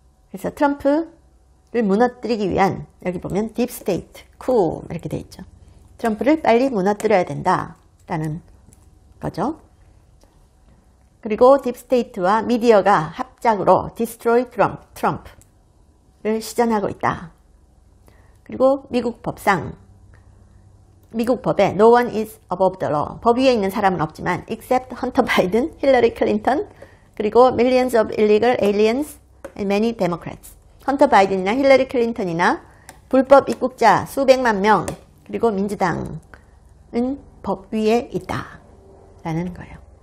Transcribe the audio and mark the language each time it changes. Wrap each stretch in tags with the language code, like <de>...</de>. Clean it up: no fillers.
<ko>그래서 트럼프를 무너뜨리기 위한, 여기 보면 딥스테이트, 쿨, 이렇게 돼 있죠. 트럼프를 빨리 무너뜨려야 된다, 라는 거죠. 그리고 딥스테이트와 미디어가 합작으로 디스트로이 트럼프를 시전하고 있다. 그리고 미국 법상, 미국 법에</ko> <en>no one is above the law.</en> <ko>법 위에 있는 사람은 없지만,</ko> <en>except Hunter Biden, Hillary Clinton,</en> <ko>그리고</ko> <en>millions of illegal aliens, And many Democrats.</en> <ko>헌터 바이든이나 힐러리 클린턴이나 불법 입국자 수백만 명, 그리고 민주당은 법 위에 있다. 라는 거예요.</ko>